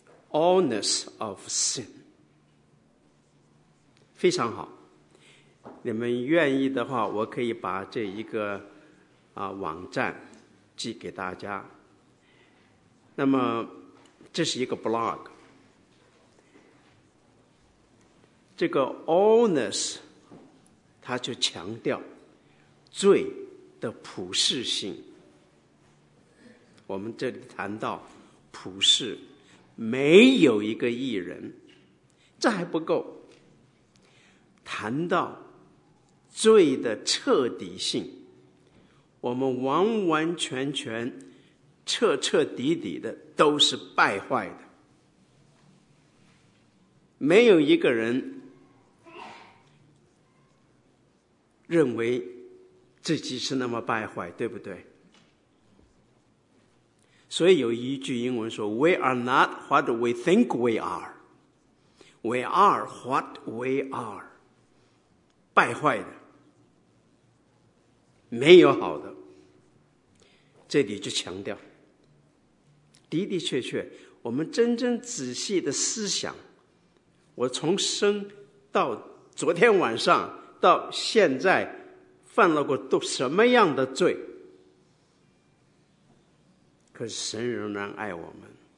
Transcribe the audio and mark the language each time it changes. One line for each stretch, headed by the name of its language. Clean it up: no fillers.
Chinese: Allness of sin， 非常好。你们愿意的话，我可以把这一个网站寄给大家。那么，这是一个 blog。这个 allness， 它就强调罪的普世性。我们这里谈到普世，没有一个义人，这还不够。谈到罪的彻底性，我们完完全全、彻彻底底的都是败坏的，没有一个人认为自己是那么败坏，对不对？所以有一句英文说
English: We are not what we think we are，
Chinese: We are what we are， 败坏的，没有好的。这里就强调的的确确，我们真正仔细的思想，我从生到昨天晚上到现在犯了过都什么样的罪，可是神仍然爱我们。